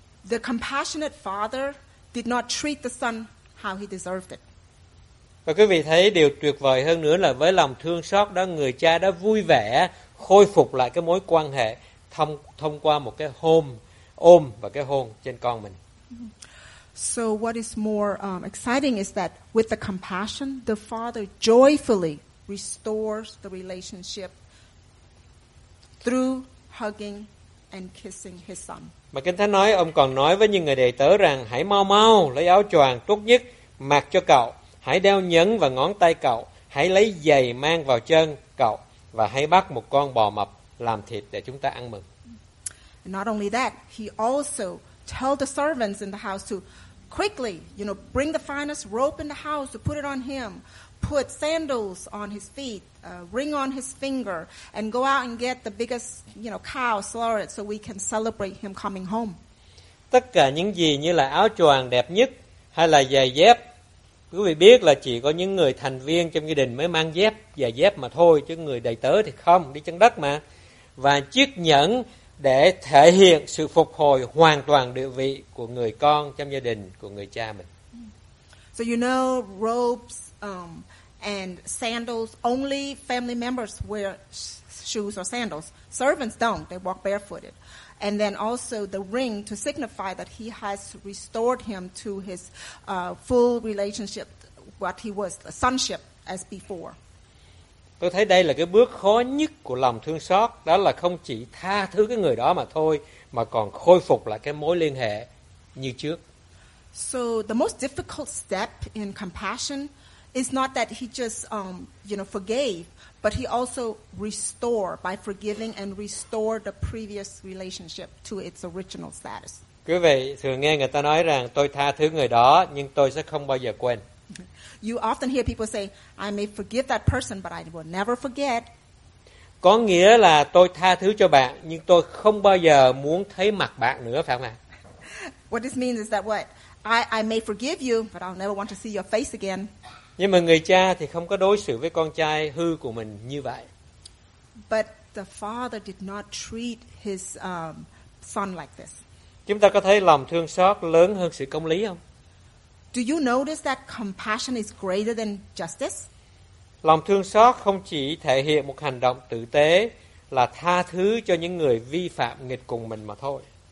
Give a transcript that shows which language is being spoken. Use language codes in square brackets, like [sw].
[en] The compassionate father did not treat the son how he deserved it. [vi] Và quý vị thấy điều tuyệt vời hơn nữa là với lòng thương xót đó, người cha đã vui vẻ khôi phục lại cái mối quan hệ thông qua một cái ôm và cái hôn trên con mình. [en] So what is more exciting is that with the compassion, the father joyfully restores the relationship through hugging and kissing his son. [vi] Mà Kinh Thánh nói, ông còn nói với những người đệ tớ rằng: "Hãy mau mau lấy áo choàng tốt nhất mặc cho cậu, hãy đeo nhẫn vào ngón tay cậu, hãy lấy giày mang vào chân cậu và hãy bắt một con bò mập làm thịt để chúng ta ăn mừng." [en] Not only that, he also tell the servants in the house to quickly, you know, bring the finest rope in the house to put it on him, put sandals on his feet, a ring on his finger, and go out and get the biggest, you know, cow, slaughter it so we can celebrate him coming home. [vi] Tất cả những gì như là áo choàng đẹp nhất hay là giày dép, quý vị biết là chỉ có những người thành viên trong gia đình mới mang dép, giày dép mà thôi, chứ người đầy tớ thì không, đi chân đất mà. Và chiếc nhẫn để thể hiện sự phục hồi hoàn toàn địa vị của người con trong gia đình của người cha mình. [en] So you know, robes and sandals. Only family members wear shoes or sandals. Servants don't. They walk barefooted. And then also the ring to signify that he has restored him to his full relationship, what he was, the sonship as before. [vi] Tôi thấy đây là cái bước khó nhất của lòng thương xót, đó là không chỉ tha thứ cái người đó mà thôi, mà còn khôi phục lại cái mối liên hệ như trước. [en] So the most difficult step in compassion is not that he just forgave, but he also restore by forgiving and restore the previous relationship to its original status. [vi] Quý vị thường nghe người ta nói rằng tôi tha thứ người đó nhưng tôi sẽ không bao giờ quên. [en] You often hear people say, I may forgive that person, but I will never forget. [vi] Có nghĩa là tôi tha thứ cho bạn, nhưng tôi không bao giờ muốn thấy mặt bạn nữa, phải không ạ? [en] What this means is that what? I may forgive you, but I'll never want to see your face again. [vi] Nhưng mà người cha thì không có đối xử với con trai hư của mình như vậy. [en] But the father did not treat his son like this. [vi] Chúng ta có thấy lòng thương xót lớn hơn sự công lý không? [en] Do you notice that compassion is greater than justice? [vi] Lòng thương xót không chỉ thể hiện một hành động tử tế là tha thứ cho những người vi phạm nghịch cùng mình mà thôi.